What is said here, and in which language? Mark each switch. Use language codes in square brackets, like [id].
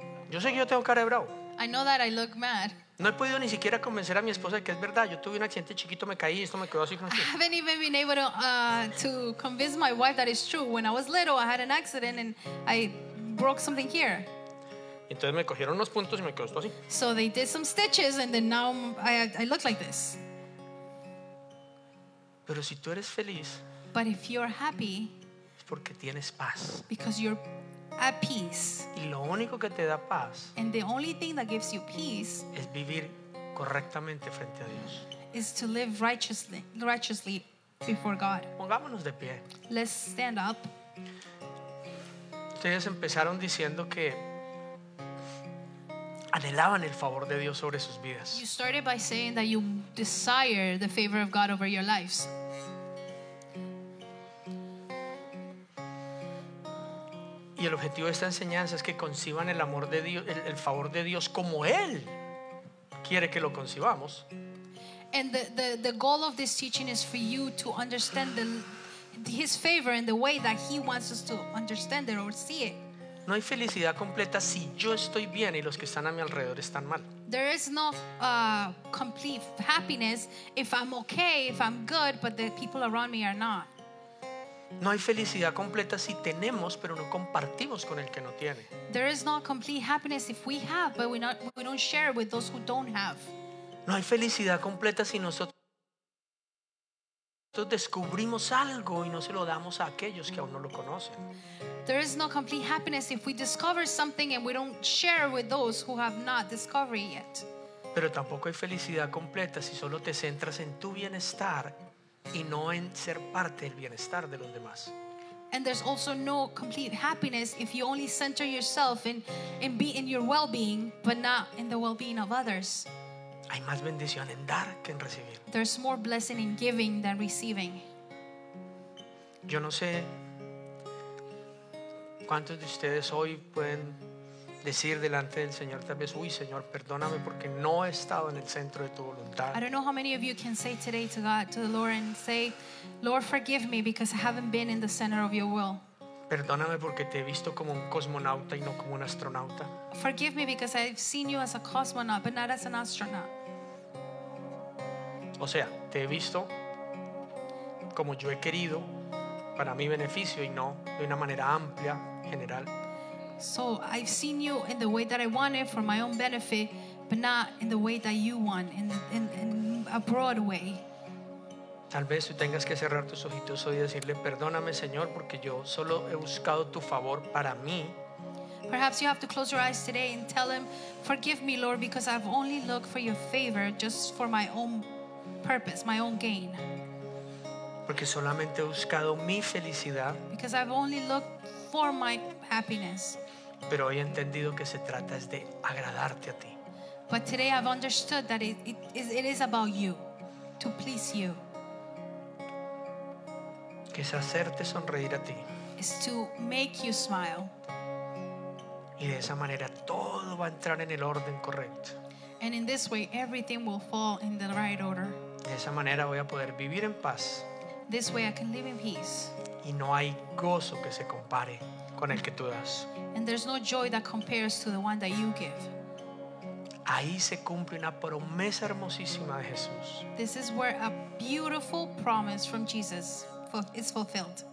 [es] Yo sé que yo tengo cara de bravo. [en] I know that I look mad. [es] No he podido ni siquiera convencer a mi esposa de que es verdad. Yo tuve un accidente chiquito, me caí y esto me quedó así. [en] I haven't even been able to convince my wife that it's true. When I was little, I had an accident and I broke something here. [es] Entonces me cogieron unos puntos y me quedó esto así. [en] So they did some stitches and then now I look like this. [es] Pero si tú eres feliz, [en] but if you're happy, [es] es porque tienes paz. [en] Because you're at peace. [es] Y lo único que te da paz, [en] and the only thing that gives you peace, [es] es vivir correctamente frente a Dios. [en] Is to live righteously before God. [es] Pongámonos de pie. [en] Let's stand up. [es] Ustedes empezaron diciendo que anhelaban el favor de Dios sobre sus vidas. [en] You started by saying that you desire the favor of God over your lives. [es] Y el objetivo de esta enseñanza es que conciban el amor de Dios, el favor de Dios como Él quiere que lo concibamos. [en] And the goal of this teaching is for you to understand His favor in the way that He wants us to understand it or see it. [es] No hay felicidad completa si yo estoy bien y los que están a mi alrededor están mal. [en] There is no complete happiness if I'm okay, if I'm good, but the people around me are not. [es] No hay felicidad completa si tenemos pero no compartimos con el que no tiene. [en] There is not complete happiness if we have but we don't share with those who don't have. [es] No hay felicidad completa si nosotros descubrimos algo y no se lo damos a aquellos que aún no lo conocen. [en] There is no complete happiness if we discover something and we don't share with those who have not discovered it yet. [es] Pero tampoco hay felicidad completa si solo te centras en tu bienestar y no en ser parte del bienestar de los demás. [en] And there's also no complete happiness if you only center yourself in your well-being but not in the well-being of others. [es] Hay más bendición en dar que en recibir. [en] There's more blessing in giving than receiving. [es] Yo no sé cuántos de ustedes hoy pueden decir delante del Señor tal vez, uy Señor, perdóname porque no he estado en el centro de tu voluntad. [en] I don't know how many of you can say today to God, to the Lord, and say, Lord, forgive me because I haven't been in the center of your will. [es] Perdóname porque te he visto como un cosmonauta y no como un astronauta. [en] Forgive me because I've seen you as a cosmonaut but not as an astronaut. [es] O sea, te he visto como yo he querido para mi beneficio y no de una manera amplia, general. [en] So I've seen you in the way that I wanted for my own benefit, but not in the way that you want, in a broad way. [es] Tal vez tú tengas que cerrar tus ojitos hoy y decirle, perdóname, Señor, porque yo solo he buscado tu favor para mí. [en] Perhaps you have to close your eyes today and tell him, forgive me, Lord, because I've only looked for your favor just for my own purpose, my own gain. [es] Porque solamente he buscado mi felicidad. [en] Because I've only looked for my happiness. [es] Pero hoy he entendido que se trata es de agradarte a ti. [en] But today I've understood that it is about you, to please you. [es] Que es hacerte sonreír a ti. [en] It's to make you smile. [es] Y de esa manera todo va a entrar en el orden correcto. [en] And in this way everything will fall in the right order. [es] De esa manera voy a poder vivir en paz. [en] This way I can live in peace. [es] Y no hay gozo que se compare con el que tú das. [en] And there's no joy that compares to the one that you give. [es] Ahí se cumple una promesa hermosísima de Jesús. [en] This is where a beautiful promise from Jesus is fulfilled.